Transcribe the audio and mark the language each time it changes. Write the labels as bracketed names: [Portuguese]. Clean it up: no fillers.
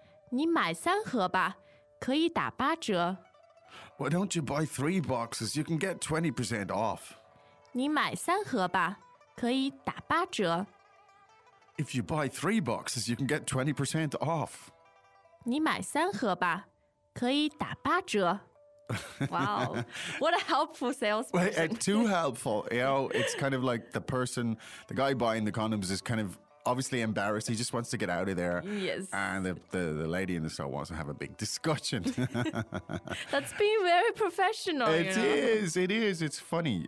[Chinese] 你买三盒吧, 可以打八折? [English] Why don't you buy three boxes? You can get 20% off. [Chinese] 你买三盒吧, 可以打八折? [English] If you buy three boxes, you can get 20% off. [Chinese] 你买三盒吧，可以打八折. [English] Wow, what a helpful salesperson. Wait, too helpful. You know, it's kind of like the person, the guy buying the condoms is kind of obviously embarrassed. He just wants to get out of there. Yes. And the lady in the store wants to have a big discussion. That's being very professional. It is. It is. It's funny.